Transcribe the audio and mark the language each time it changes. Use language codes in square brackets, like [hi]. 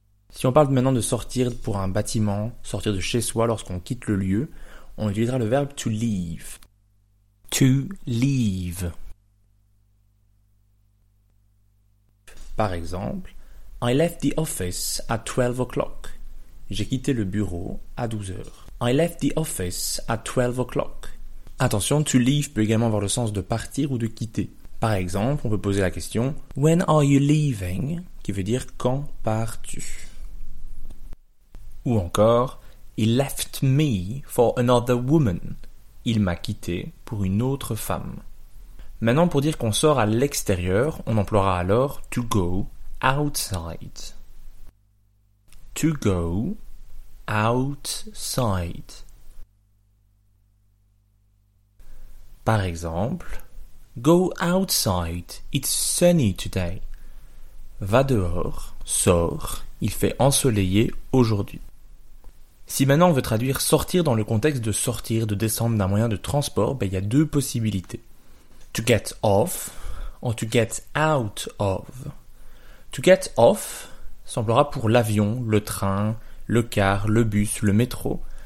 [fr] Si on parle maintenant de sortir pour un bâtiment, sortir de chez soi lorsqu'on quitte le lieu, on utilisera le verbe to leave. [en] To leave. [fr] Par exemple, [en] I left the office at 12 o'clock. [fr] J'ai quitté le bureau à 12 heures. [en] I left the office at 12 o'clock. [fr] Attention, to leave peut également avoir le sens de partir ou de quitter. Par exemple, on peut poser la question [en] When are you leaving? [fr] Qui veut dire quand pars-tu? Ou encore, [en] he left me for another woman. [fr] Il m'a quitté pour une autre femme. Maintenant, pour dire qu'on sort à l'extérieur, on emploiera alors to go outside. [en] To go outside. [fr] Par exemple, [en] go outside, it's sunny today. [fr] Va dehors, sors, il fait ensoleillé aujourd'hui. Si maintenant on veut traduire « sortir » dans le contexte de sortir, de descendre d'un moyen de transport, ben il y a deux possibilités. « To get off » ou « to get out of ».« To get off » semblera pour l'avion, le train, le car, le bus, le métro.